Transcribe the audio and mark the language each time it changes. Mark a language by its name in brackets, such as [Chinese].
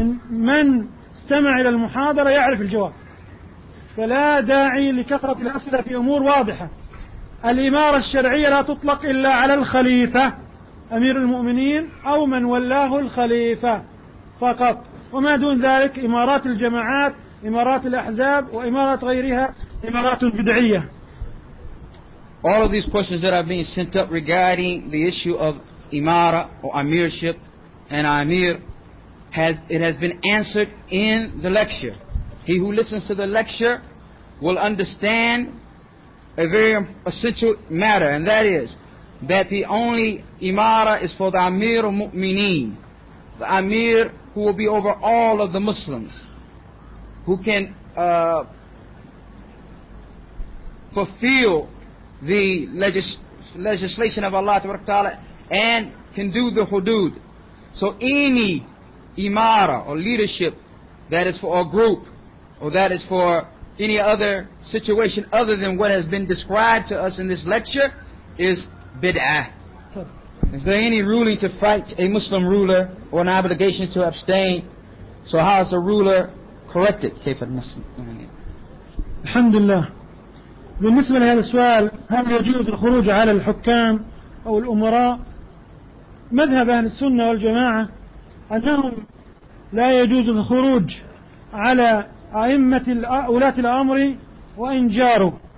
[Arabic] من استمع إلى المحاضرة يعرف الجواب، فلا داعي لكثرة الأسئلة في أمور واضحة. الإمارة الشرعية لا تطلق إلا على الخليفة أمير المؤمنين أو من ولاه الخليفة فقط، وما دون ذلك إمارات الجماعات، إمارات الأحزاب، وإمارات غيرها إمارات بدعية. [English] All of these questions that are being sent up regarding the issue of imara or amirship and amir, it has been answered in the lecture. He who listens to the lecture will understand a very essential matter, and that is that the only imara is for the amir al-mu'mineen, the amir who will be over all of the Muslims, who can fulfill the legislation of Allah Ta'ala and can do the hudud. So any imara or leadership that is for a group or that is for any other situation other than what has been described to us in this lecture is bid'ah. Is there any ruling to fight a Muslim ruler or an obligation to abstain? So how is the ruler corrected? [Arabic] كيف المسلم؟ الحمد لله. بالنسبة لهذا السؤال، هل يجوز الخروج على الحكام أو الأمراء؟ مذهب أهل السنة والجماعة أنهم لا يجوز الخروج على أئمة ولاة الأمر وإن جاروا.